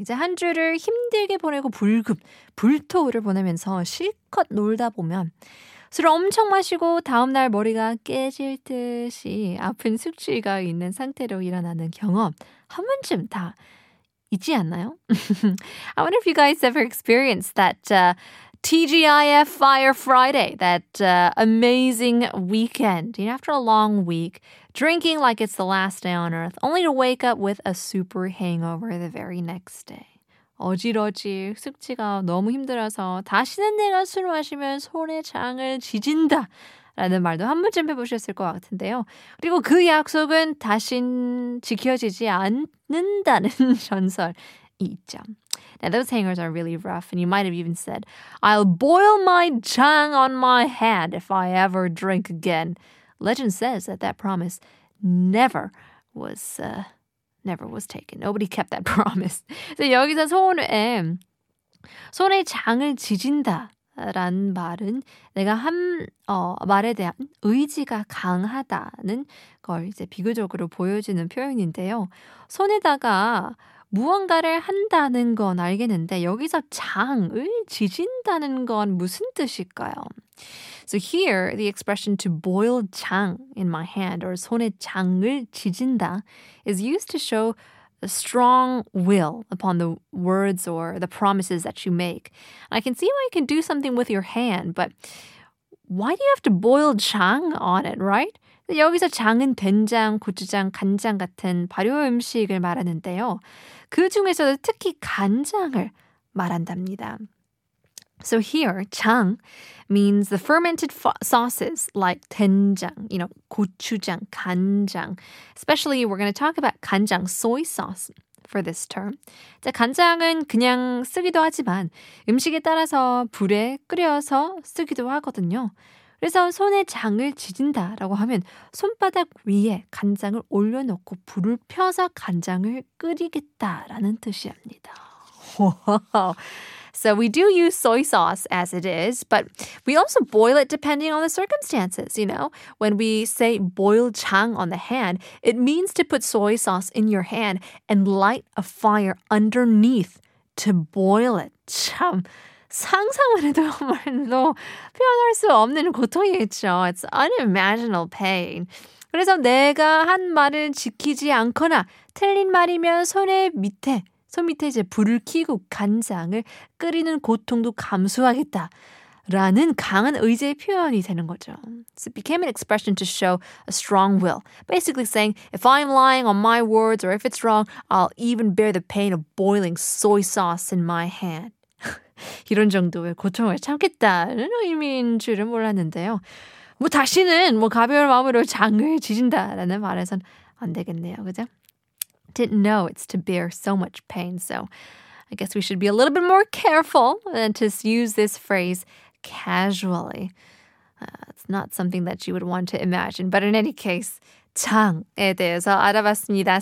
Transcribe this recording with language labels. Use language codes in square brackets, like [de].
[ko] 이제 한 주를 힘들게 보내고 불금, 불토를 보내면서 실컷 놀다 보면 술을 엄청 마시고 다음날 머리가 깨질 듯이 아픈 숙취가 있는 상태로 일어나는 경험 한 번쯤 다 있지 않나요? [en] I wonder if you guys ever experienced that TGIF Fire Friday, that amazing weekend. You know, after a long week, drinking like it's the last day on earth, only to wake up with a super hangover the very next day. [ko] 어질어질 숙취가 너무 힘들어서 다시는 내가 술 마시면 손에 장을 지진다 라는 말도 한 번쯤 해보셨을 것 같은데요. 그리고 그 약속은 다신 지켜지지 않는다는 전설이 있죠. [en] Now those hangers are really rough and you might have even said I'll boil my 장 on my head if I ever drink again. Legend says that that promise never was taken. Nobody kept that promise. [ko] So 여기서 손에 장을 지진다라는 말은 내가 한 말에 대한 의지가 강하다는 걸 이제 비교적으로 보여주는 표현인데요. 손에다가 무언가를 한다는 건 알겠는데 여기서 장을 지진다는 건 무슨 뜻일까요? [en] So here, the expression to boil 장 in my hand or [ko] 손에 장을 지진다 [en] is used to show a strong will upon the words or the promises that you make. I can see why you can do something with your hand, but why do you have to boil 장 on it, right? [ko] 여기서 장은 된장, 고추장, 간장 같은 발효 음식을 말하는데요. 그 중에서도 특히 간장을 말한답니다. [en] So here, 장 means the fermented sauces like 된장, you know, 고추장, 간장. Especially, we're going to talk about 간장, soy sauce for this term. [ko] 자, 간장은 그냥 쓰기도 하지만 음식에 따라서 불에 끓여서 쓰기도 하거든요. 그래서 손에 장을 지진다라고 하면 손바닥 위에 간장을 올려놓고 불을 펴서 간장을 끓이겠다라는 뜻이랍니다. [en] Wow. So we do use soy sauce as it is, but we also boil it depending on the circumstances, you know. When we say boil 장 on the hand, it means to put soy sauce in your hand and light a fire underneath to boil it. [ko] 참. 상상만 해도 말로 표현할 수 없는 고통이겠죠. [en] It's unimaginable pain. [ko] 그래서 내가 한 말을 지키지 않거나 틀린 말이면 손 밑에 이제 불을 켜고 간장을 끓이는 고통도 감수하겠다. 라는 강한 의지의 표현이 되는 거죠. [en] So it became an expression to show a strong will. Basically saying, if I'm lying on my words or if it's wrong, I'll even bear the pain of boiling soy sauce in my hand. [ko] 이런 정도의 고통을 참겠다는 의미인 줄은 몰랐는데요. 뭐 다시는 뭐 가벼운 마음으로 장을 지진다라는 말에선 안 되겠네요. 그죠? [en] Didn't know it's to bear so much pain. So I guess we should be a little bit more careful than to use this phrase casually. It's not something that you would want to imagine. But in any case, [ko] 장에 대해서 알아봤습니다.